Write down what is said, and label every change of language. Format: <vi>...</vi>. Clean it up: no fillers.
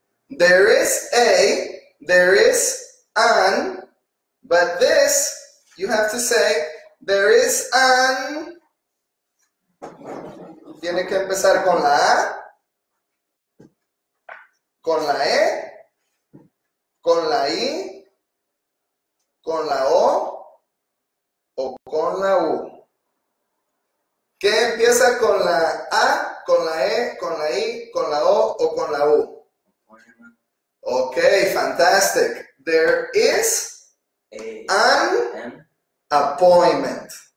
<en>There is a, there is an, but this, you have to say, there is an.</en> <es>Tiene que empezar con la A, con la E, con la I, con la O, o con la U. ¿Qué empieza con la A, con la E, con la I, con la O, o con la U?</es> <en>Ok, fantastic. There is an appointment.</en>